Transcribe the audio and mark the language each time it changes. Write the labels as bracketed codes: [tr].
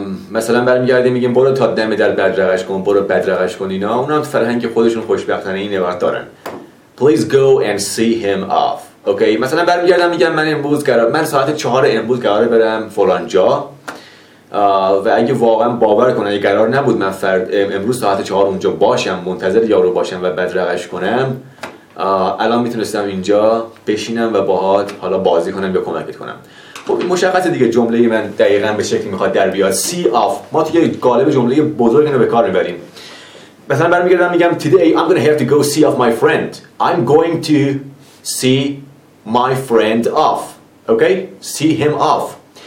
[fa] مثلا برمیگردیم میگیم برو تا دم در بدرقش کن، برو بدرقش کن اینا، اونا هم فرهنگ خودشون خوشبختانه این عبارت دارن. [en] Please go and see him off. [fa] اوکی، مثلا برمیگردم میگم من ساعت 4 امروز قراره برم فلان جا. و اگه واقعا باور کنه، اگه قرار نبود من فرد امروز ساعت 4 اونجا باشم، منتظر یارو باشم و بدرقش کنم، الان میتونستم اینجا بشینم و باهات حالا بازی کنم یا کمکت کنم. خب مشخصه دیگه جمله من دقیقاً به شکلی میخواد در بیاد. see off ما توی قالب جمله بزرگ اینو به کار میبریم. مثلا برمیگردم میگم [en] today I'm gonna have to go see off my friend. I'm going to see my friend off. Okay? See him off.